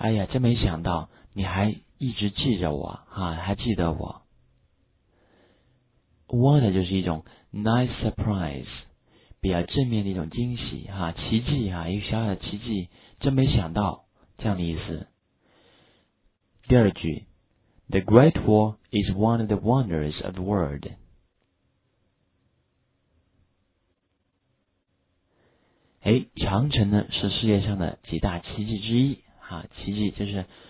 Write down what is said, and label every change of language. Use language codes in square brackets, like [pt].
[zh] 真没想到你还一直记着我哈，还记得我。 wonder 就是一种 nice surprise。比较正面的一种惊喜哈，奇迹哈，一个小小的奇迹，真没想到，这样的意思。 [en] 第二句 The Great Wall is one of the wonders of the world. [zh] 长城呢是世界上的几大奇迹之一哈，奇迹就是